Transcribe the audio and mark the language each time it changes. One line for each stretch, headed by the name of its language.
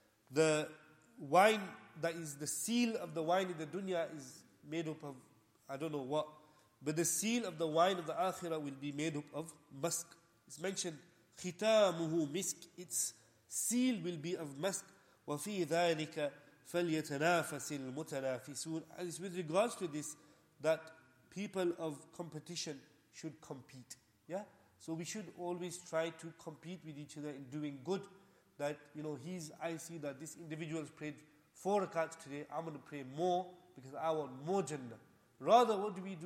English: The wine that is the seal of the wine in the dunya is made up of, I don't know what, but the seal of the wine of the akhirah will be made up of musk. It's mentioned,
Arabic: khitamuhu misk,
English: its seal will be of musk.
Arabic: وفي ذلك فليتنافس المتنافسون.
English: And it's with regards to this that people of competition should compete. Yeah, so we should always try to compete with each other in doing good. That, you know, I see that this individual has prayed 4 rakats today, I'm going to pray more because I want more Jannah. Rather, what do?